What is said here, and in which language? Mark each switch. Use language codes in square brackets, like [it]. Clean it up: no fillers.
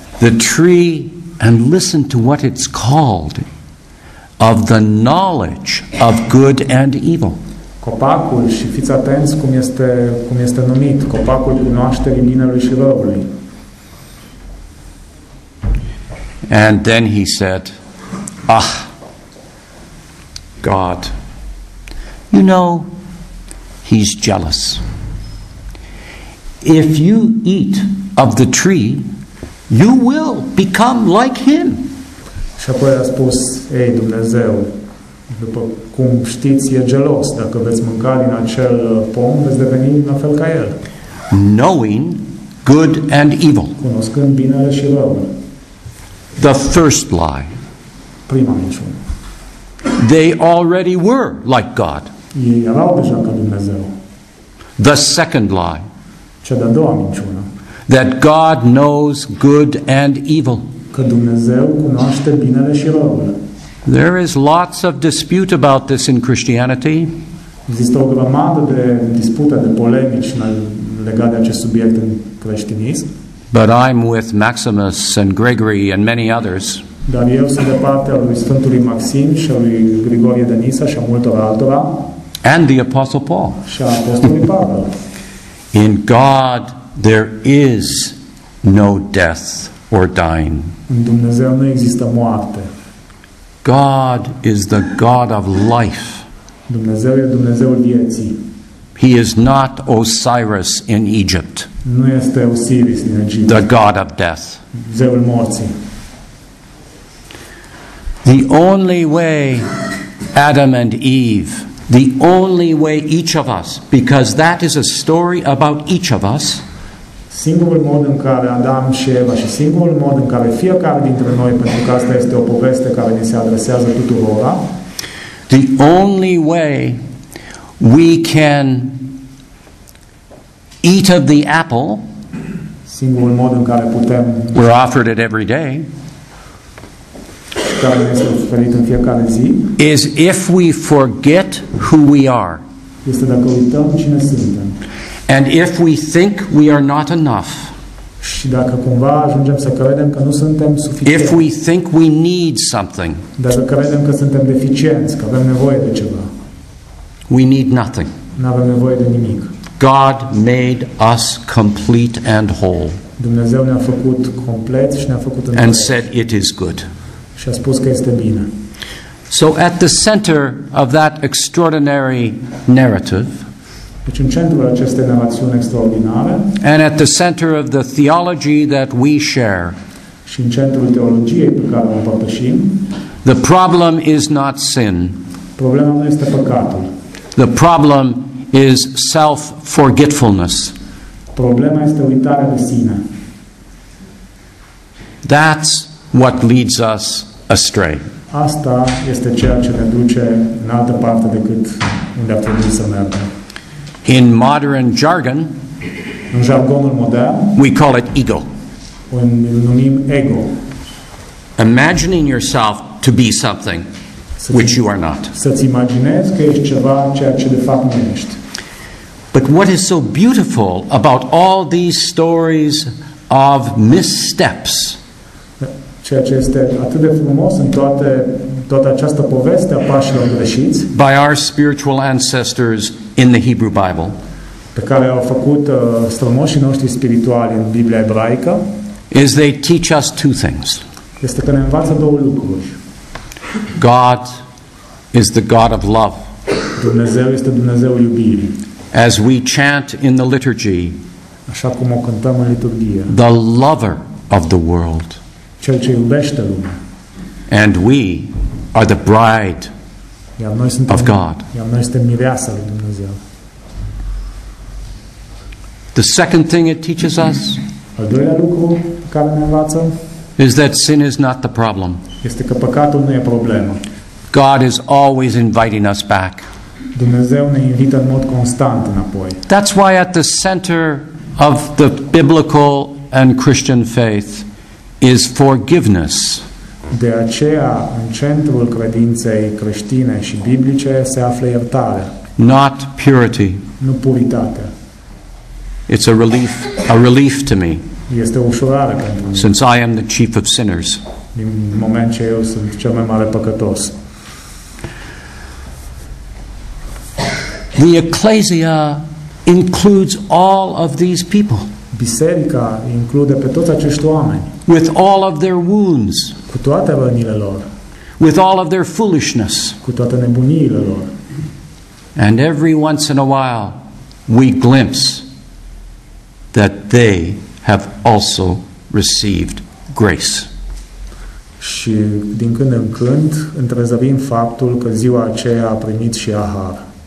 [en] The tree, and listen to what it's called. of the knowledge of good and evil. [ro] Copacul, și fiți atenți cum este numit, copacul cunoașterii binelui și răului. [en] And then he said, "Ah, God, you know, he's jealous. If you eat of the tree, you will become like him." [ro] Și apoi a spus, "Ei, Dumnezeu, după cum știți, e gelos. Dacă veți mânca din acel pom, veți deveni la fel ca el." [en] Knowing good and evil. [ro] Cunoscând binele și răul. [en] The first lie. [ro] Prima minciună. [en] They already were like God. [ro] Ei erau deja ca Dumnezeu. [en] The second lie. [ro] Cea de-a doua minciună. [en] That God knows good and evil. [ro] Că Dumnezeu cunoaște binele și răul. [en] There is lots of dispute about this in Christianity. [ro] Există o grămadă de dispute, de polemici legate de acest subiect în creștinism. [en] But I'm with Maximus and Gregory and many others. [ro] Dar eu sunt de partea lui Sfântului Maxim și a lui Grigorie de Nisa și a multor altora. [en] And the Apostle Paul. [ro] Și a Apostolului Pavel. [en] In God there is no death or dying. [ro] În Dumnezeu nu există moarte. [en] God is the God of life. [ro] Dumnezeu e Dumnezeul vieții. [en] He is not Osiris in Egypt. [ro] Nu este Osiris în Egipt. [en] The God of death. [ro] Zeul morții. [en] The only way Adam and Eve, the only way each of us, because that is a story about each of us. [ro] Singurul mod în care Adam și Eva și singurul mod în care fiecare dintre noi, pentru că asta este o poveste care ne se adresează tuturora. [en] The only way we can eat of the apple. [ro] Singurul mod în care putem. [en] We're offered it every day. [ro] Care ne este oferit în fiecare zi. [en] Is if we forget who we are. [ro] Este dacă uităm cine suntem. [en] And if we think we are not enough. [ro] Și dacă cumva ajungem să credem că nu suntem suficienți. [en] If we think we need something. [ro] Dacă credem că suntem deficienți, că avem nevoie de ceva. [en] We need nothing. [ro] Nu avem nevoie de nimic. [en] God made us complete and whole. [ro] Dumnezeu ne-a făcut complet și ne-a făcut întreg. [en] And said it is good. [ro] Și a spus că este bine. [en] So at the center of that extraordinary narrative. [ro] Deci în centrul acestei narațiuni extraordinare. [en] And at the center of the theology that we share. [ro] Și în centrul teologiei pe care o împărtășim. [en] The problem is not sin. [ro] Problema nu este păcatul. [en] The problem is self-forgetfulness. [ro] Problema este uitarea de sine. [en] That's what leads us astray. [ro] Asta este ceea ce ne duce în altă parte decât unde ar trebui să mergem. [en] In modern jargon, [ro] în jargonul modern, [en] we call it ego. [ro] Îl numim ego. [en] Imagining yourself to be something which you are not. [ro] Să-ți imaginezi că ești ceva ceea ce de fapt nu ești. [en] But what is so beautiful about all these stories of missteps? [ro] Ceea ce este atât de frumos în toată această poveste a pașilor greșiți. [en] By our spiritual ancestors in the Hebrew Bible. [ro] Pe care au făcut strămoșii noștri spirituali în Biblia ebraică. [en] Is they teach us two things. [ro] Este că ne învață două lucruri. [en] God is the God of love. [ro] Dumnezeu este Dumnezeul iubirii. [en] As we chant in the liturgy. [ro] Așa cum o cântăm în liturgie. [en] The lover of the world. [ro] Cel ce iubește lumea. [en] And we are the bride of God. [ro] Iar noi suntem mireasa lui Dumnezeu. [en] The second thing it teaches us. [ro] Al doilea lucru pe care ne învață. [en] Is that sin is not the problem. [ro] Este că păcatul nu e problema. [en] God is always inviting us back. [ro] Dumnezeu ne invită în mod constant înapoi. [en] That's why at the center of the biblical and Christian faith is forgiveness. [ro] De aceea, în centrul credinței creștine și biblice se află iertarea. [en] Not purity. [ro] Nu puritatea. [en] It's a relief to me. [ro] Este o ușurare pentru mine. [en] Since I am the chief of sinners. [ro] Din moment ce eu sunt cel mai mare păcătos. [en] The ecclesia includes all of these people. [ro] Biserica include pe toți acești oameni. [en] With all of their wounds. [ro] Cu toate rănile lor. [en] With all of their foolishness. [ro] Cu toate nebuniile lor. [en] And every once in a while we glimpse that they have also received grace. [ro] Și din când în când întrezărim faptul că ziua aceea a primit și har.